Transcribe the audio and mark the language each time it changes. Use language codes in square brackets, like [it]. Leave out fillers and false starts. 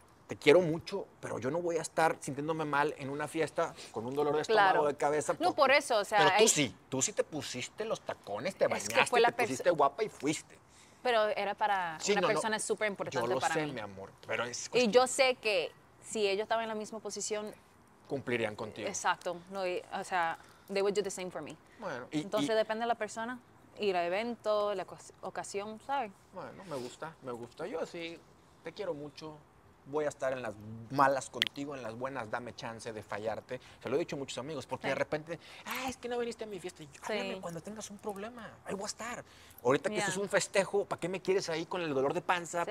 [es] te quiero mucho, pero yo no voy a estar sintiéndome mal en una fiesta con un dolor de estómago, claro, de cabeza. No, por eso, o sea... Pero tú sí, tú sí te pusiste los tacones, te bañaste, es que te pusiste guapa y fuiste. Pero era para una persona súper importante para mí. Yo lo sé, mi amor, pero es cuestión. Y yo sé que si ellos estaban en la misma posición... Cumplirían contigo. Exacto, no, y, o sea, [en] they would do the same for me. [es] Bueno, y, entonces depende de la persona, ir a evento, la ocasión, ¿sabes? Bueno, me gusta, yo sí, te quiero mucho. Voy a estar en las malas contigo, en las buenas, dame chance de fallarte. Se lo he dicho a muchos amigos, porque sí, de repente, ah, es que no viniste a mi fiesta. Yo, háblame, sí, cuando tengas un problema, ahí voy a estar. Ahorita que esto es un festejo, ¿para qué me quieres ahí con el dolor de panza? Sí.